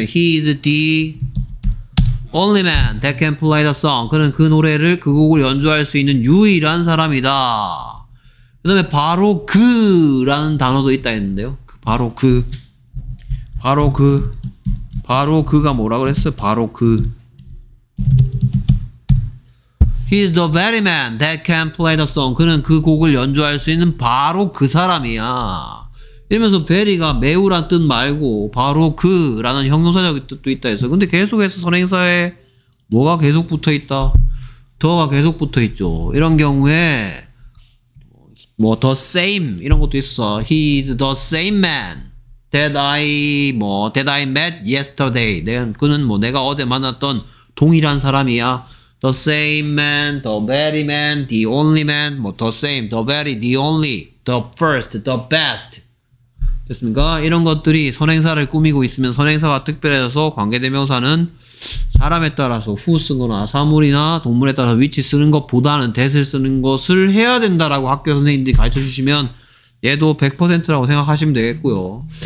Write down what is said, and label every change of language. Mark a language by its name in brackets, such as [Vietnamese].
[English] He is the only man that can play the song. [Korean] 그는 그 노래를 그 곡을 연주할 수 있는 유일한 사람이다. 그 다음에 바로 그 라는 단어도 있다 했는데요. 바로 그 바로 그 바로 그가 뭐라 그랬어요? 바로 그 [English] He is the very man that can play the song. [Korean] 그는 그 곡을 연주할 수 있는 바로 그 사람이야. 이러면서 베리가 매우란 뜻 말고 바로 그 라는 형용사적 뜻도 있다 해서 근데 계속해서 선행사에 뭐가 계속 붙어 있다 더가 계속 붙어 있죠. 이런 경우에 뭐 the same 이런 것도 있어. [English] He is the same man that I 뭐 that I met yesterday. [Korean] 그는 뭐 내가 어제 만났던 동일한 사람이야. [English] The same man, the very man, the only man, 뭐 the same, the very, the only, the first, the best. [Korean] 됐습니까? 이런 것들이 선행사를 꾸미고 있으면 선행사가 특별해져서 관계대명사는 사람에 따라서 후 쓰거나 사물이나 동물에 따라서 위치 쓰는 것보다는 that을 쓰는 것을 해야 된다라고 학교 선생님들이 가르쳐 주시면 얘도 100%라고 생각하시면 되겠고요.